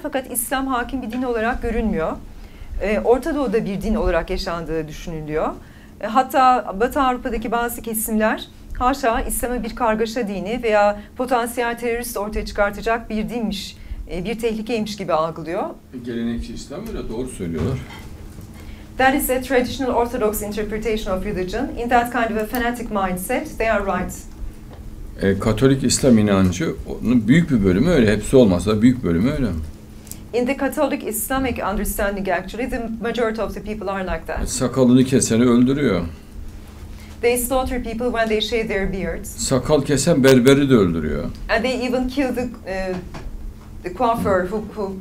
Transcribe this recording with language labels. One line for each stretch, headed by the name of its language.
Turkish: Fakat İslam hakim bir din olarak görünmüyor. Orta Doğu'da bir din olarak yaşandığı düşünülüyor. Hatta Batı Avrupa'daki bazı kesimler haşa İslam'ı bir kargaşa dini veya potansiyel terörist ortaya çıkartacak bir dinmiş, bir tehlikeymiş gibi algılıyor. Gelenekçi İslam öyle doğru söylüyorlar.
English: That is a traditional orthodox interpretation of religion. In that kind of a fanatic mindset, they are right.
Turkish: Katolik İslam inancı, onun büyük bir bölümü öyle, hepsi olmasa büyük bölümü öyle.
English: In the Catholic Islamic understanding actually, the majority of the people are like that.
Turkish: Sakalını keseni öldürüyor.
English: They slaughter people when they shave their beards.
Turkish: Sakal kesen berberi de öldürüyor.
English: And they even kill the coiffeur who